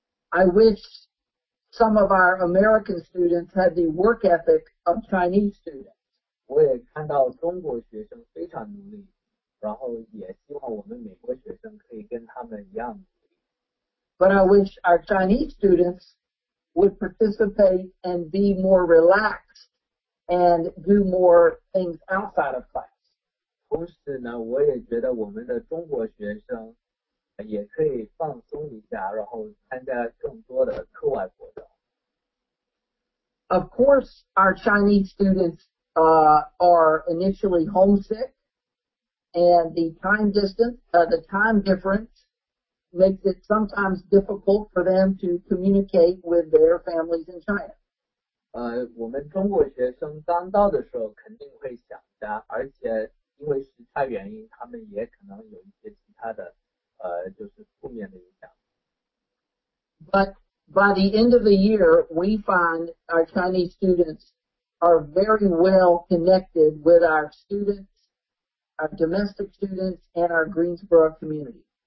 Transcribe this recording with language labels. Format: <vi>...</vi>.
<en>I wish some of our American students had the work ethic of Chinese students.</en> <zh>我也看到中国学生非常努力，然后也希望我们美国学生可以跟他们一样努力。</zh> <en>But I wish our Chinese students would participate and be more relaxed and do more things outside of class.</en> <zh>同时呢，我也觉得我们的中国学生也可以放松一下，然后参加更多的课外活动。</zh> <en>Of course, our Chinese students. Are initially homesick, and the time difference makes it sometimes difficult for them to communicate with their families in China.</en> <zh>我们中国学生刚到的时候肯定会想家，而且因为时差原因，他们也可能有一些其他的就是负面的影响。</zh> <en>But by the end of the year, we find our Chinese students are very well connected with our students, our domestic students, and our Greensboro community.</en>